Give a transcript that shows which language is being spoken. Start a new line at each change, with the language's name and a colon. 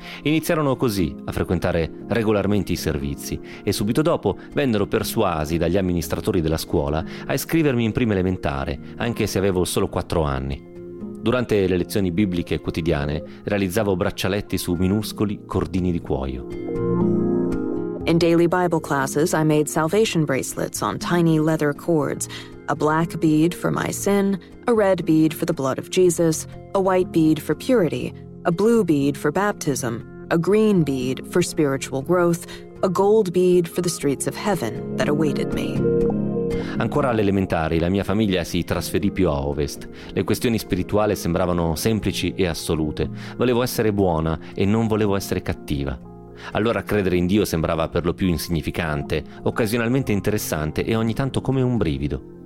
Italian: Iniziarono così a frequentare regolarmente i servizi e subito dopo vennero persuasi dagli amministratori della scuola a iscrivermi in prima elementare, anche se avevo solo 4 anni. Durante le lezioni bibliche quotidiane realizzavo braccialetti su minuscoli cordini di cuoio.
English: In daily Bible classes I made salvation bracelets on tiny leather cords, a black bead for my sin, a red bead for the blood of Jesus, a white bead for purity, a blue bead for baptism, a green bead for spiritual growth, a gold bead for the streets of heaven that awaited me.
Italian: Ancora alle elementari, la mia famiglia si trasferì più a ovest. Le questioni spirituali sembravano semplici e assolute. Volevo essere buona e non volevo essere cattiva. Allora credere in Dio sembrava per lo più insignificante, occasionalmente interessante e ogni tanto come un brivido.